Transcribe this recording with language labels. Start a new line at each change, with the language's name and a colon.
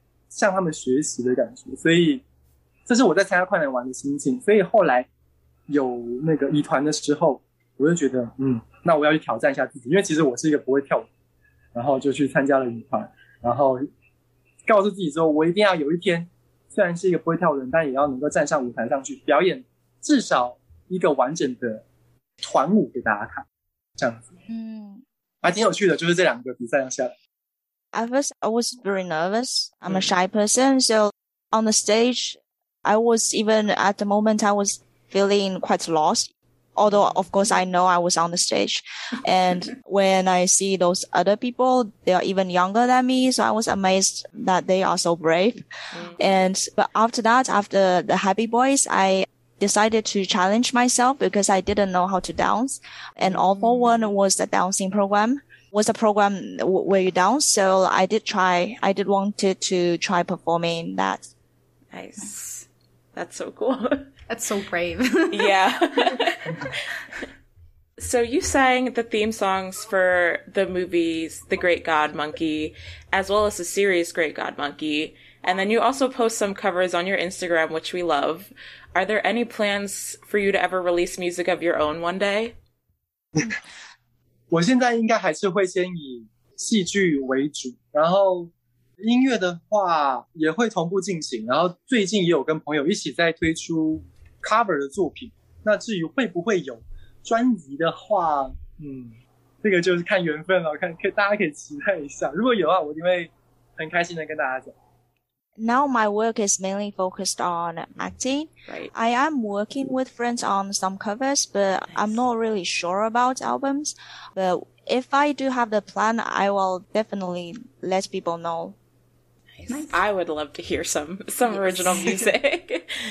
Chinese: 向他们学习的感觉所以这是我在参加快男玩的心情所以后来有那个乙团的时候我就觉得那我要去挑战一下自己因为其实我是一个不会跳舞然后就去参加了乙团然后告诉自己说我一定要有一天虽然是一个不会跳舞的人但也要能够站上舞台上去表演至少一个完整的团舞给大家看这样子还挺有趣的就是这两个比赛下来
English: At first I was very nervous I'm a shy person So on the stage I was even at the moment I was feeling quite lost Although of course I know I was on the stage And when I see those other people They are even younger than me So I was amazed that they are so brave But after that After the Happy Boys I decided to challenge myself because I didn't know how to dance and All for One was the dancing program was a program where you dance so I wanted to try performing that nice that's so cool that's so brave yeah so you sang the theme songs for the movies The Great God Monkey as well as the series Great God Monkey and then you also post some covers on your Instagram which we loveAre there any plans for you to ever release music of your own one day?
Chinese: 我现在应该还是会先以戏剧为主，然后音乐的话也会同步进行。然后最近也有跟朋友一起在推出 cover 的作品。那至于会不会有专辑的话，这个就是看缘分了，看可大家可以期待一下。如果有啊，我一定会很开心的跟大家讲。
English: Now my work is mainly focused on acting. Right. I am working with friends on some covers, but nice. I'm not really sure about albums. But if I do have the plan, I will definitely let people know. Nice. I would love to hear some yes. original music.